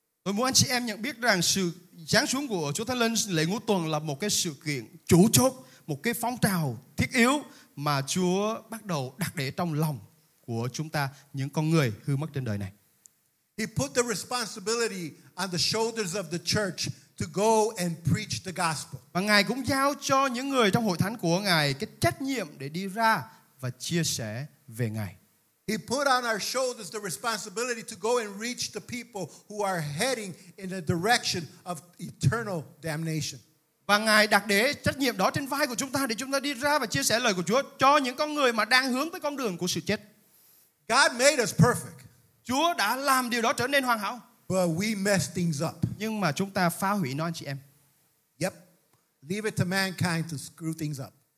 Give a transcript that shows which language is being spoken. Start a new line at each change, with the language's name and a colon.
Vietnamese: Tôi muốn anh chị em nhận biết rằng sự giáng xuống của Chúa Thánh Linh lễ ngũ tuần là một cái sự kiện chủ chốt, một cái phong trào thiết yếu mà Chúa bắt đầu đặt để trong lòng của chúng ta, những con người hư mất trên đời này.
English: He put the responsibility on the shoulders of the church to go and preach the gospel.
Vietnamese: Và Ngài cũng giao cho những người trong hội thánh của Ngài cái trách nhiệm để đi ra và chia sẻ về Ngài.
English: He put on our shoulders the responsibility to go and reach the people who are heading in the direction of eternal damnation.
Vietnamese: Và Ngài đặt để trách nhiệm đó trên vai của chúng ta để chúng ta đi ra và chia sẻ lời của Chúa cho những con người mà đang hướng tới con đường của sự chết.
English: God made us perfect.
Vietnamese: Chúa đã làm điều đó trở nên hoàn hảo.
English: But we mess things up.
Vietnamese: Nhưng mà chúng ta phá hủy nó, anh chị em.
English: Yep. Leave it to mankind to screw things up.